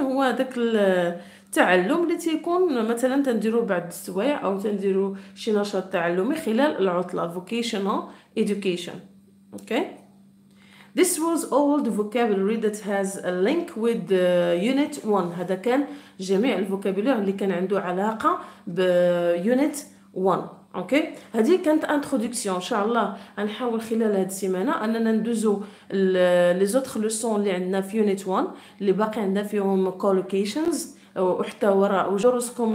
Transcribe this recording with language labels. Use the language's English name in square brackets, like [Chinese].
[Arabic] هو ذاك التعلم اللي تيكون مثلا تنديرو بعد السوايع أو تنديرو شي نشاط تعلمي خلال العطلة. [English] Vocational education. Okay. This was all the vocabulary that has a link with unit 1. [Arabic] هذا كان جميع الفوكابولير اللي كان عنده علاقة بunit 1. اوكي هذه كانت انتروداكسيون. ان شاء الله غنحاول خلال هذه السيمانه اننا ندوزو لي زوتر لوسون اللي عندنا في يونيت 1 اللي باقي عندنا فيهم كولوكيشنز وحتى وراء وجروسكم.